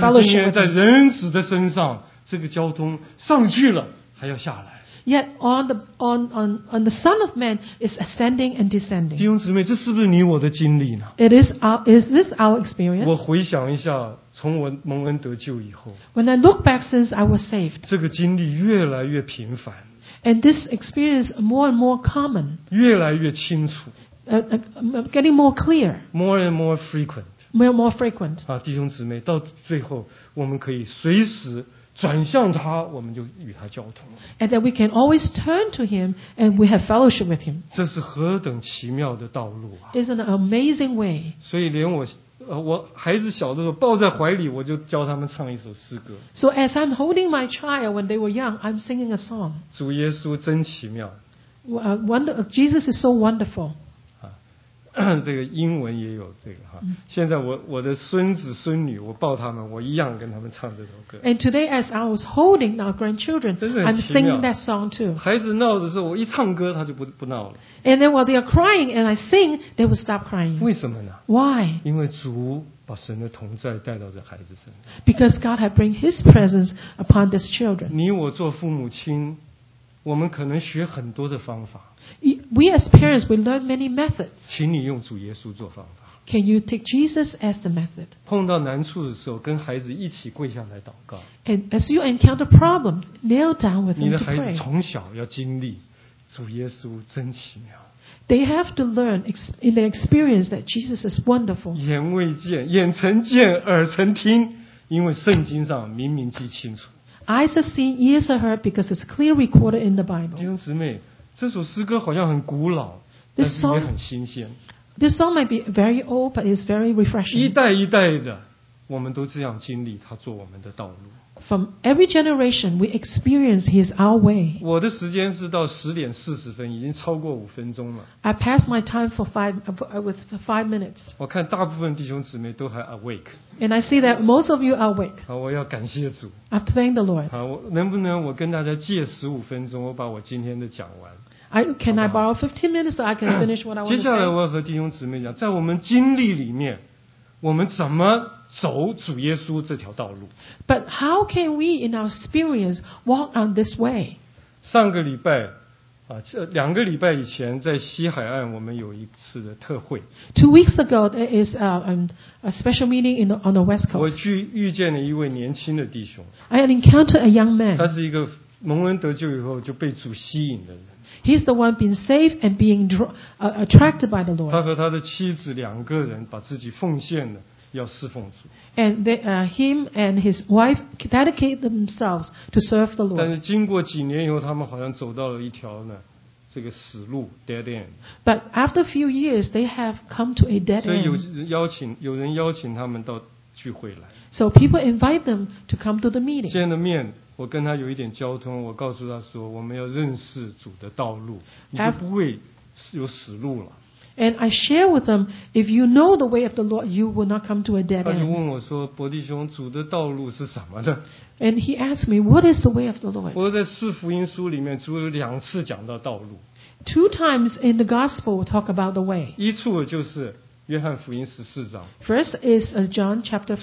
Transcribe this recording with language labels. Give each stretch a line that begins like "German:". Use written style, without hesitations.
Chinese: 但是今天在人子的身上这个交通上去了还要下来。
English: Yet on the Son of Man is ascending and descending.
Chinese: 弟兄姊妹，这是不是你我的经历呢？
English: Is this our experience?
Chinese: 我回想一下，从我蒙恩得救以后，
English: When I look back since I was saved,
Chinese: 这个经历越来越频繁，
English: And this experience more and more common,
Chinese: 越来越清楚，
English: Getting more clear, More and more frequent, More and more frequent.
Chinese: 啊，弟兄姊妹，到最后我们可以随时。转向他，我们就与他交通。
English: And that we can always turn to him, and we have fellowship with him.
Chinese: 这是何等奇妙的道路啊
English: ！Isn't an amazing way.
Chinese: 所以连我孩子小的时候抱在怀里，我就教他们唱一首诗歌。
English: So as I'm holding my child when they were young, I'm singing a song.
Chinese: 主耶稣真奇妙。
English: Jesus is so wonderful.
Chinese: 这个英文也有这个哈。现在我的孙子孙女，我抱他们，我一样跟他们唱这首歌。
English: And today, as I was holding our grandchildren, I'm singing that song too.
Chinese: 孩子闹的时候，我一唱歌，他就不闹了。
English: And then while they are crying and I sing, they will stop crying.
Chinese: 为什么呢
English: ？Why?
Chinese: 因为主把神的同在带到这孩子身上。
English: Because God has brought His presence upon these children.
Chinese: 你我做父母亲，我们可能学很多的方法。
English: We as parents, we learn many methods.
Chinese: 请你用主耶稣做方法。
English: Can you take Jesus as the method?
Chinese: 碰到难处的时候，跟孩子一起跪下来祷告。
English: And as you encounter problem, kneel down with them to pray.
Chinese: 你的孩子从小要经历主耶稣真奇妙。
English: They have to learn in their experience that Jesus is wonderful.
Chinese: 眼未见，眼曾见，耳曾听，因为圣经上明明记清楚。
English: Eyes have seen, ears have heard, because it's clearly recorded in the Bible.
Chinese: 弟兄姊妹。这首诗歌好像很古老，但是也很新鲜。
English: This song might be very old, but it's very refreshing.
Chinese: 一代一代的，我们都这样经历他做我们的道路。
English: From every generation, we experience his our way.
Chinese: 我的时间是到10:40，已经超过五分钟了。
English: I passed my time for five minutes.
Chinese: 我看大部分弟兄姊妹都还
English: awake. And I see that most of you are awake.
Chinese: 我要感谢主。
English: I thank the Lord.
Chinese: 能不能我跟大家借15分钟，我把我今天的讲完？
English: Can I borrow 15 minutes so I can finish what I want to say?
Chinese: 接下来我要和弟兄姊妹讲，在我们经历里面，我们怎么？走主耶稣这条道路。
English: But how can we in our experience walk on this way?
Chinese: 上个礼拜啊，两个礼拜以前在西海岸我们有一次的特会。
English: Two weeks ago there is a special meeting on the West Coast.
Chinese: 我遇见了一位年轻的弟兄。
English: I encountered a young man.
Chinese: 他是一个蒙恩得救以后就被主吸引的人。
English: He's the one being saved and being attracted by the Lord.
Chinese: 他和他的妻子两个人把自己奉献了。要侍奉主。
English: And him and his wife dedicate themselves to serve the Lord.
Chinese: 但是经过几年以后，他们好像走到了一条呢，这个死路
English: dead end. But after a few years, they have come to a dead end.
Chinese: 所以有人邀请他们到聚会来。
English: So people invite them to come to the meeting.
Chinese: 见了面，我跟他有一点交通，我告诉他说，我们要认识主的道路，你就不会有死路了。
English: And I share with them, if you know the way of the Lord, you will not come to a dead end.
Chinese: 他就问我说，伯弟兄，主的道路是什么呢？
English: And he asked me, what is the way of the Lord?
Chinese: 我在四福音书里面，主有两次讲到道路。
English: Two times in the gospel talk about the way.
Chinese: 一处就是约翰福音14章。
English: First is John chapter 14 verse 6.